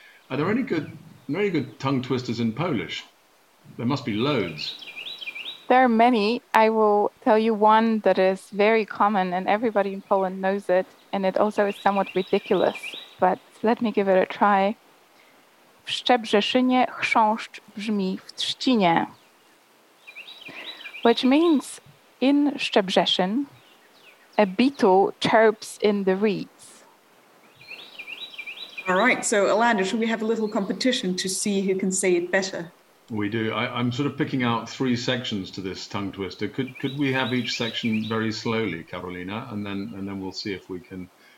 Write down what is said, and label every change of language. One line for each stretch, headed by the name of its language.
English: Are there any good, very good tongue twisters in Polish? There must be loads. There are many. I will tell you one that is very common and everybody in Poland knows it. And it also is somewhat ridiculous, but let me give it a try.
Polish: W Szczebrzeszynie chrząszcz brzmi w trzcinie.
English: Which means in Szczebrzeszyn, a beetle chirps in the reeds. All right. So, Alanda, should we have a little competition to see who can say it better? We do. I'm sort of picking out three sections to this tongue twister. Could we have each section very slowly, Karolina, and then we'll see if we can.